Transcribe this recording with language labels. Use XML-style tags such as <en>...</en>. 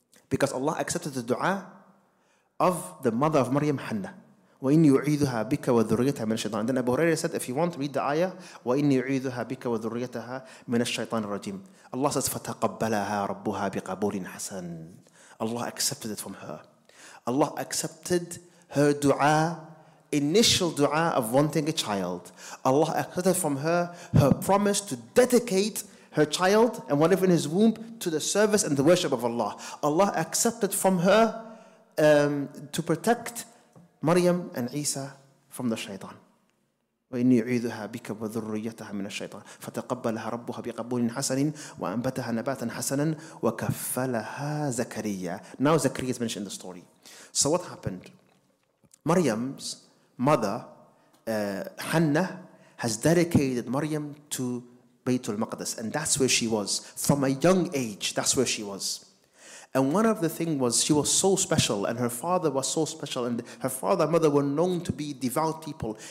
<en>Because Allah accepted the dua of the mother of Maryam, Hannah.</en> <ar>وَإِنِّي أُعِيذُهَا بِكَ وَذُرِّيَّتَهَا مِنَ الشَّيْطَانِ الرَّجِيمِ</ar> <en>Then Abu Hurairah said, if you want, read the ayah.</en> <ar>وَإِنِّي أُعِيذُهَا بِكَ وَذُرِّيَّتَهَا مِنَ الشَّيْطَانِ الرَّجِيمِ</ar> <en>Allah says,</en> <ar>فَتَقَبَّلَهَا رَبُّهَا بِقَبُولٍ حَسَنٍ</ar> <en>Allah accepted it from her. Allah accepted her dua, initial dua of wanting a child. Allah accepted from her promise to dedicate her child and whatever in his womb to the service and the worship of Allah. Allah accepted from her to protect Maryam and Isa from the shaitan.</en> <ar>وَإِنِّي أُعِيذُهَا بِكَ وَذُرِّيَّتَهَا مِنَ الشَّيْطَانِ فَتَقَبَّلَهَا رَبُّهَا بِقَبُولٍ حَسَنٍ وَأَنْبَتَهَا نَبَاتًا حَسَنًا وَكَفَّلَهَا زَكَرِيَّا</ar> <en>Now Zakariya is mentioned in the story. So what happened? Maryam's mother, Hannah, has dedicated Maryam to Baytul Maqdis. And that's where she was. From a young age, that's where she was. And one of the things was, she was so special, and her father was so special, and her father and mother were known to be devout people.</en>